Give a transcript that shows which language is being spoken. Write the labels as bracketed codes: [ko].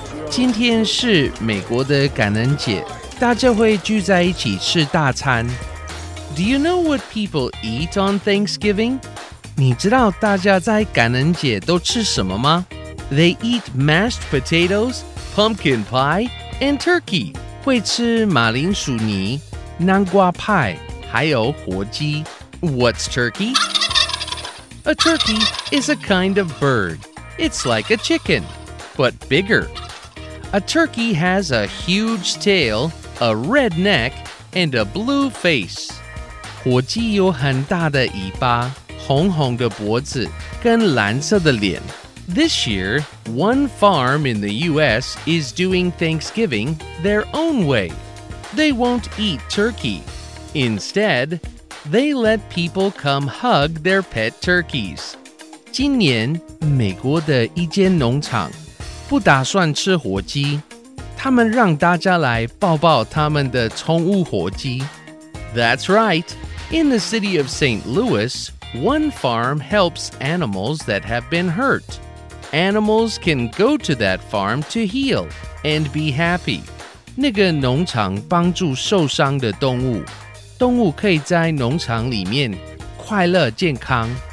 [zh] 今天是美国的感恩节，大家会聚在一起吃大餐。 [en] Do you know what people eat on Thanksgiving? [zh] 你知道大家在感恩节都吃什么吗？ [en] They eat mashed potatoes, pumpkin pie, and turkey. [zh] 会吃马铃薯泥、南瓜派，还有火鸡。 [en] What's turkey? A turkey is a kind of bird. It's like a chicken, but bigger. A turkey has a huge tail, a red neck, and a blue face. [zh] 火鸡有很大的尾巴，红红的脖子，跟蓝色的脸。 [en] This year, one farm in the U.S. is doing Thanksgiving their own way. They won't eat turkey. Instead,They let people come hug their pet turkeys. [zh] 今年美国的一间农场不打算吃火鸡，他们让大家来抱抱他们的宠物火鸡。 [en] That's right. In the city of St. Louis, one farm helps animals that have been hurt. Animals can go to that farm to heal and be happy. [zh] 那个农场帮助受伤的动物。动物可以在农场里面快乐健康。